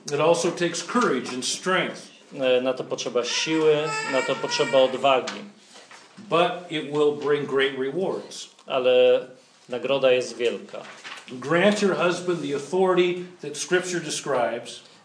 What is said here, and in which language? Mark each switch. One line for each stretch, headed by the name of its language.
English: It also takes courage and strength.
Polish: Na to potrzeba siły, na to potrzeba odwagi.
English: But it will bring great rewards.
Polish: Ale nagroda jest wielka.
English: Grant your husband the authority that scripture describes.